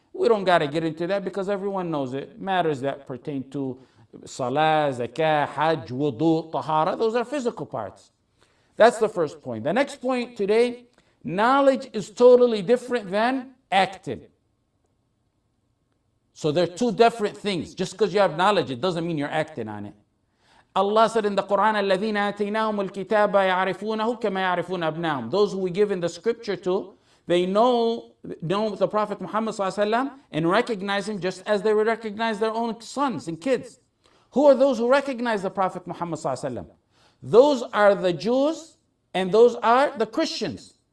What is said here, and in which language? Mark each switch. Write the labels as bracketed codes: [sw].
[en] We don't got to get into that because everyone knows it. Matters that pertain to salah, zakah, hajj, wudu, tahara, those are physical parts. That's the first point. The next point today, knowledge is totally different than acting. So they're two different things. Just because you have knowledge, it doesn't mean you're acting on it. Allah said in the Quran, [ar] الَّذِينَ آتَيْنَاهُمُ الْكِتَابَ يَعْرِفُونَهُ كَمَا يَعْرِفُونَ أَبْنَاهُمْ. [en] Those who we given the scripture to, they know the Prophet Muhammad sallallahu alaihi wasallam and recognize him just as they would recognize their own sons and kids. Who are those who recognize the Prophet Muhammad sallallahu alaihi wasallam? Those are the Jews and those are the Christians.